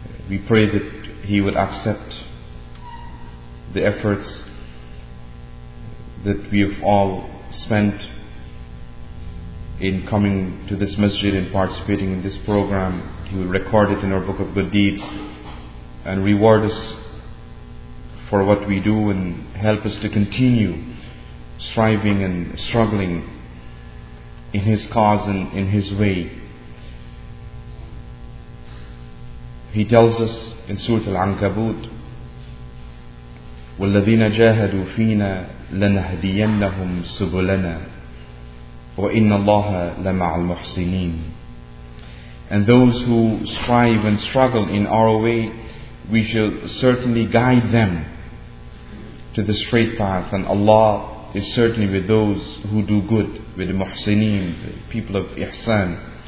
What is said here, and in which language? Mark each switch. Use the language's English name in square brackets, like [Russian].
[English] We pray that He would accept the efforts that we have all spent in coming to this masjid and participating in this program. He will record it in our book of good deeds and reward us for what we do, and help us to continue striving and struggling in His cause and in His way. He tells us in Surah Al-Ankabut, [Arabic] وَالَّذِينَ جَاهَدُوا فِينَا لَنَهْدِيَنَّهُمْ سُبُلَنَا وَإِنَّ اللَّهَ لَمَعَ الْمُحْسِنِينَ. [English] And those who strive and struggle in our way, we shall certainly guide them to the straight path, and Allah is certainly with those who do good, with the muhsineen, the people of ihsan.